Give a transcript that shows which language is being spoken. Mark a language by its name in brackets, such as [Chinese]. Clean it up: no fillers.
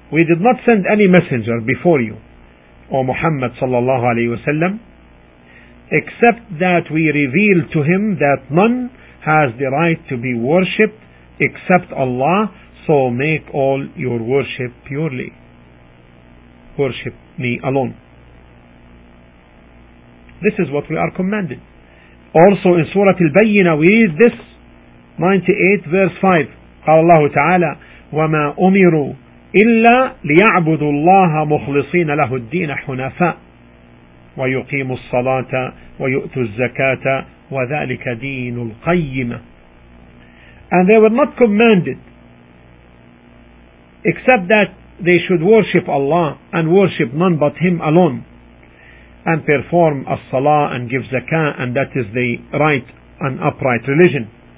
[English] We did not send any messenger before you, O Muhammad sallallahu alayhi wa sallam, except that we reveal to him that none has the right to be worshipped except Allah, so make all your worship purely. Worship me alone. This is what we are commanded. Also in Surah Al-Bayyinah we read this, 98 verse 5. [Arabic] قال الله تعالى وما أمروا إلا ليعبدوا الله مخلصين له الدين حنفاء ويقيموا الصلاة ويؤتوا الزكاة وذلك دين القيمة. [English] And they were not commanded except that they should worship Allah and worship none but Him alone and perform as-salah and give zakah, and that is the right and upright religion.